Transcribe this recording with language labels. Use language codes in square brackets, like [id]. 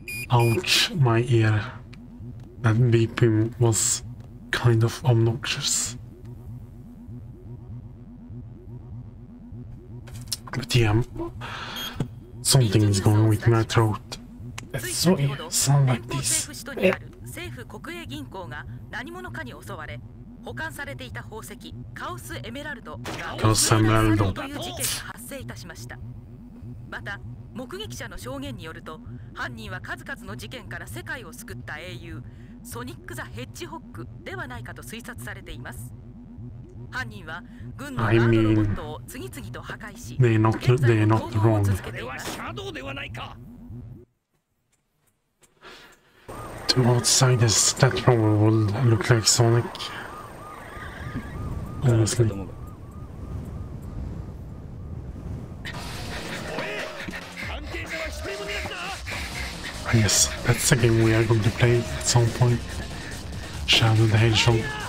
[en] Ouch, my ear. That beeping was kind of obnoxious. But yeah, something is going with my throat. It's so sound like this. [ja] 政府国営銀行が何者かに襲われ保管されていた宝石カオスエメラルドが盗まれるという事件が発生いたしました。また目撃者の証言によると犯人は数々の事件から世界を救った英雄ソニック・ザ・ヘッジホックではないかと推察されています。犯人は軍のアンドロボットを次々と破壊し現在も攻撃を続けています。これはシャドウではないか。 [en] To outside this statue would look like Sonic. Honestly. Yes, that's the game we are going to play at some point. Shadow the Hedgehog.